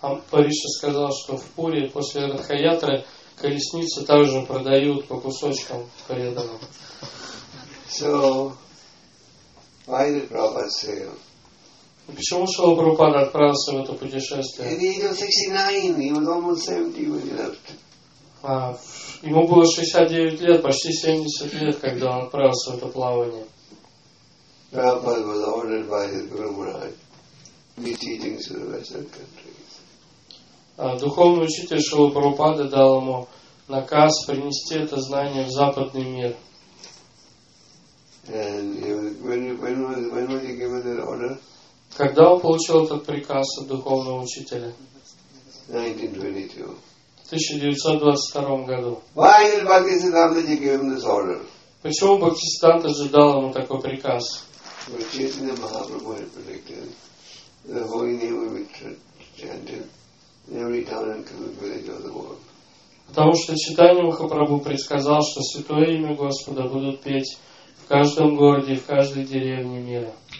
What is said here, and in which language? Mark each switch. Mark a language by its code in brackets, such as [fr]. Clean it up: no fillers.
[ru] Париша сказал, что в Пури после Радхаятры колесницы также продают по кусочкам преданным. [en] So, why did Prabhupada sail? [ru] Почему Шрила Прабхупада отправился в это путешествие? [en] In the age of 69, he was almost 70 when he left. [ru] Ему было 69 лет, почти 70 лет, когда он отправился в это плавание. [en] Prabhupada was ordered by his Guru Maharaj to be teaching to the Western countries. [ru] Духовный учитель Шрилы Прабхупады дал ему наказ принести это знание в западный мир. [en] And when was he given that order? [ru] Когда он получил этот приказ от духовного учителя? [en] 1922. [ru] В 1922 году. [en] Why did Bhaktisiddhanta give him this order? [ru] Почему Бхактисиддханта же дал ему такой приказ? [en] Chaitanya Mahaprabhu had predicted the holy name would be chanted in every town and village of the world. [ru] Потому что Чайтанья Махапрабху предсказал, что святое имя Господа будут петь в каждом городе, в каждой деревне мира.